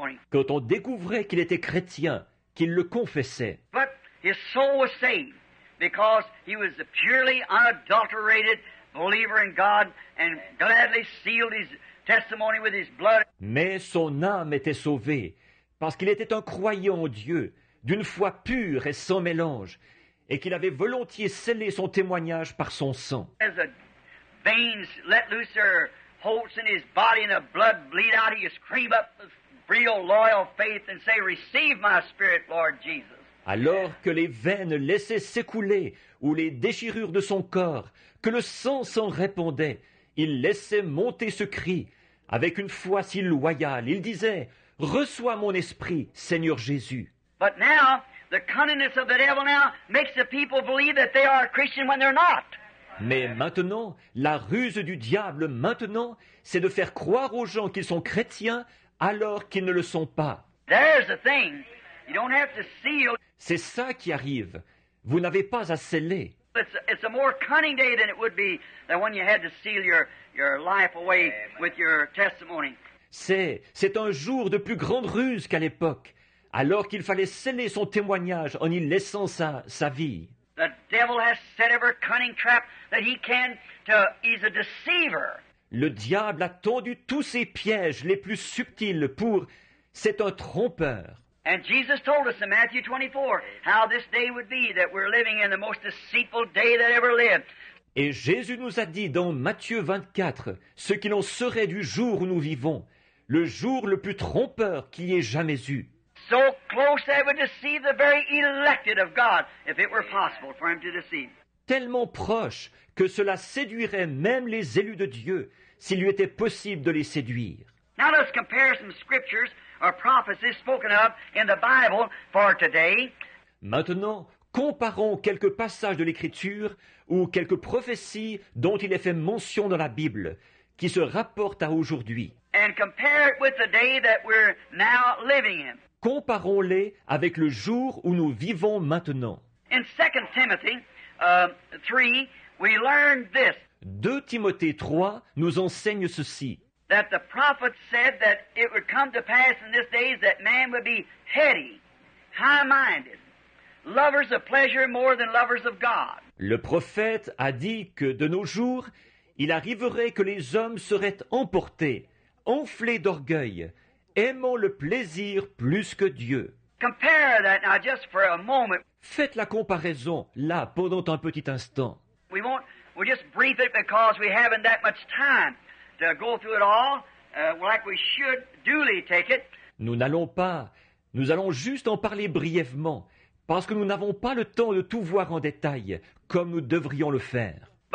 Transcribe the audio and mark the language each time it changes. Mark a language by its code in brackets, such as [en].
[fr] Quand on découvrait qu'il était chrétien, qu'il le confessait. [en] But his soul was saved because he was a purely unadulterated believer in God and gladly sealed his testimony with his blood. [fr] Mais son âme était sauvée parce qu'il était un croyant en Dieu, d'une foi pure et sans mélange, et qu'il avait volontiers scellé son témoignage par son sang. [en] As the veins let loose their holes in his body and the blood bleed out, he screamed up with real loyal faith and say, "Receive my spirit, Lord Jesus." [fr] Alors que les veines laissaient s'écouler ou les déchirures de son corps, que le sang s'en répandait, il laissait monter ce cri avec une foi si loyale. Il disait, "Reçois mon esprit, Seigneur Jésus." [en] But now, the cunningness of the devil now makes the people believe that they are a Christian when they're not. [fr] Mais maintenant, la ruse du diable maintenant, c'est de faire croire aux gens qu'ils sont chrétiens alors qu'ils ne le sont pas. [en] There's the thing. You don't have to seal. [fr] C'est ça qui arrive. Vous n'avez pas à sceller. [en] It's a more cunning day than it would be than when you had to seal your life away with your testimony. [fr] C'est un jour de plus grande ruse qu'à l'époque. Alors qu'il fallait sceller son témoignage en y laissant sa vie. [en] The devil has set every cunning trap that he can to... He's a deceiver. [fr] Le diable a tendu tous ses pièges les plus subtils pour... C'est un trompeur. [en] And Jesus told us in Matthew 24 how this day would be, that we're living in the most deceitful day that ever lived. [fr] Et Jésus nous a dit dans Matthieu 24 ce qu'il en serait du jour où nous vivons, le jour le plus trompeur qu'il y ait jamais eu. [en] So close that it would deceive the very elected of God if it were possible for him to deceive. [fr] Tellement proche que cela séduirait même les élus de Dieu s'il lui était possible de les séduire. [en] Now let's compare some scriptures or prophecies spoken of in the Bible for today. [fr] Maintenant, comparons quelques passages de l'Écriture ou quelques prophéties dont il est fait mention dans la Bible qui se rapportent à aujourd'hui. [en] And compare it with the day that we're now living in. [fr] Comparons-les avec le jour où nous vivons maintenant. [en] In 2 Timothy 3, we learn this. [fr] 2 Timothée 3 nous enseigne ceci. [en] That the prophet said that it would come to pass in this day that man would be heady, high-minded, lovers of pleasure more than lovers of God. [fr] Le prophète a dit que de nos jours, il arriverait que les hommes seraient emportés, enflés d'orgueil, aimant le plaisir plus que Dieu. [en] Compare that now just for a moment. [fr] Faites la comparaison là pendant un petit instant. [en] We'll just brief it because we haven't that much time to go through it all, like we should duly take it. [fr] Nous allons juste en parler brièvement, parce que nous n'avons pas le temps de tout voir en détail, comme nous devrions le faire.